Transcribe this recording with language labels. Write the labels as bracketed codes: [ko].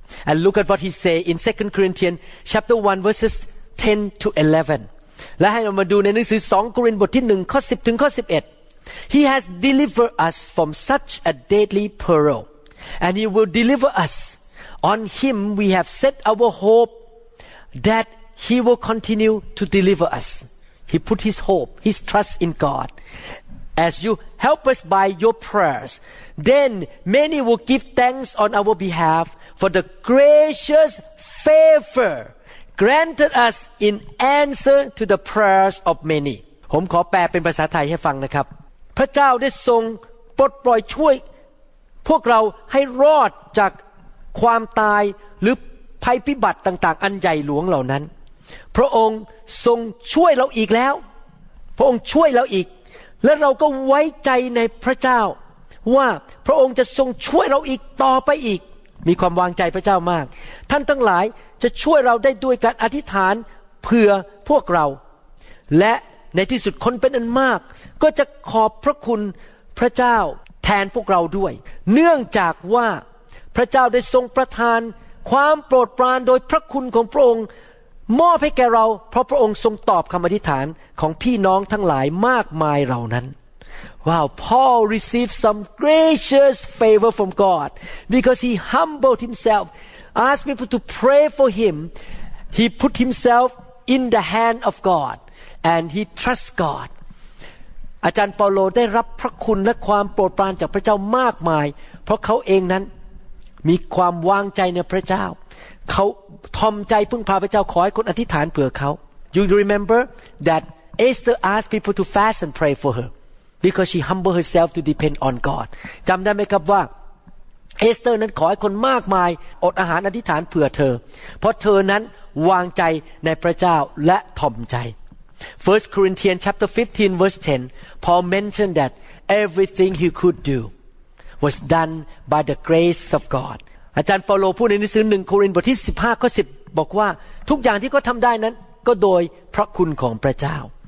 [en] And look at what he say in 2 Corinthians chapter 1 verses 10 to 11 [th] และให้เรามาดูในหนังสือ2โครินธ์บทที่1ข้อ10ถึงข้อ11 [en] He has delivered us from such a deadly peril And he will deliver us. On him we have set our hope that he will continue to deliver us. He put his hope, his trust in God. As you help us by your prayers, then many will give thanks on our behalf for the gracious favor granted us in answer to the prayers of many. [th] ผมขอแปลเป็นภาษาไทยให้ฟังนะครับพระเจ้าได้ทรงปลดปล่อยช่วยพวกเราให้รอดจากความตายหรือภัยพิบัติต่างๆอันใหญ่หลวงเหล่านั้นพระองค์ทรงช่วยเราอีกแล้วพระองค์ช่วยเราอีกและเราก็ไว้ใจในพระเจ้าว่าพระองค์จะทรงช่วยเราอีกต่อไปอีก มีความวางใจพระเจ้ามาก ท่านทั้งหลายจะช่วยเราได้ด้วยการอธิษฐานเผื่อพวกเราและในที่สุดคนเป็นอันมากก็จะขอบพระคุณพระเจ้าแทนพวกเราด้วยเนื่องจากว่าพระเจ้าได้ทรงประทานความโปรดปรานโดยพระคุณของพระองค์มอบให้แก่เราเพราะพระองค์ทรงตอบคำอธิษฐานของพี่น้องทั้งหลายมากมายเหล่านั้น [en] ว้าว Paul received some gracious favor from God because he humbled himself asked people to pray for him he put himself in the hand of God and he trust God [th] อาจารย์เปาโลได้รับพระคุณและความโปรดปรานจากพระเจ้ามากมายเพราะเขาเองนั้นมีความวางใจในพระเจ้าเขาทอมใจพึ่งพาพระเจ้าขอให้คนอธิษฐานเผื่อเขา [en] You remember that Esther asked people to fast and pray for her because she humbled herself to depend on God [th] จำได้ไหมครับว่า เอสเตอร์นั้นขอให้คนมากมายอดอาหารอธิษฐานเผื่อเธอเพราะเธอนั้นวางใจในพระเจ้าและถ่อมใจ 1 Corinthians chapter 15 verse 10 Paul mentioned that everything he could do was done by the grace of God อาจารย์เปาโลพูดในหนังสือ1โครินธ์บทที่15ข้อ10บอกว่าทุกอย่างที่เขาทำได้นั้นก็โดยพระคุณของพระเจ้า